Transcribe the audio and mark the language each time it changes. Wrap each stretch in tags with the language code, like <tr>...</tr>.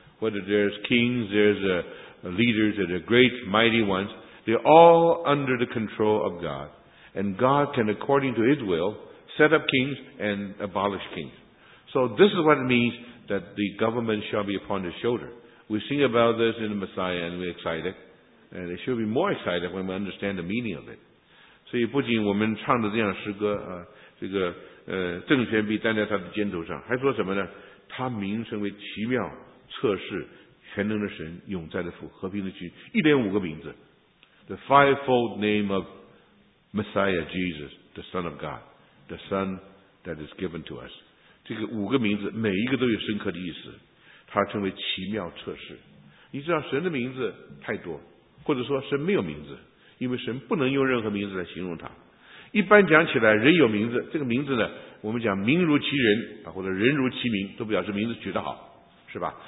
<en>Whether there's kings, there's leaders, or the great, mighty ones, they're all under the control of God. And God can, according to his will, set up kings and abolish kings. So this is what it means that the government shall be upon his shoulder. We sing about this in the Messiah and we're excited. And it should be more excited when we understand the meaning of it.</en> <zh>所以不仅我们唱的这样诗歌政权必担在他的肩头上，还说什么呢？他名称为奇妙、测试、全能的神、永在的父、和平的君，一连五个名字。</zh> <en>The fivefold name of Messiah Jesus, the Son of God, the Son that is given to us.</en> <zh>这个五个名字每一个都有深刻的意思，他称为奇妙、测试。你知道神的名字太多，或者说神没有名字，因为神不能用任何名字来形容他。一般讲起来，人有名字，这个名字呢，我们讲名如其人啊，或者人如其名，都表示名字取得好，是吧？</zh>